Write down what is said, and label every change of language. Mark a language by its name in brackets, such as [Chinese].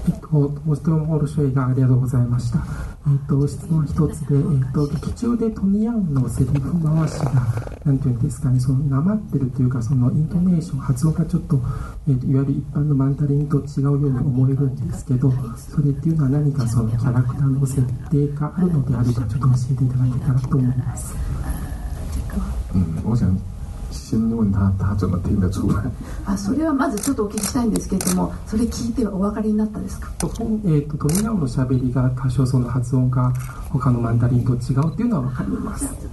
[Japanese] ご質問ご注意ありがとうございました。質問一つで、劇中でトニヤンのセリフ回しが、なんていうんですかね、その訛ってるというか、そのイントネーション、発音がちょっと、いわゆる一般のマンダリンと違うように思えるんですけど、それっていうのは何かそのキャラクターの設定があるのであるか、ちょっと教えていただけたらと思います。 [Chinese] 我想先問他、他怎麼聽得出來。 [Japanese] あ、それはまずちょっとお聞きしたいんですけれども、それ聞いてお分かりになったですか。トニヤオの喋りが多少その発音が他のマンダリンと違うっていうのは分かります。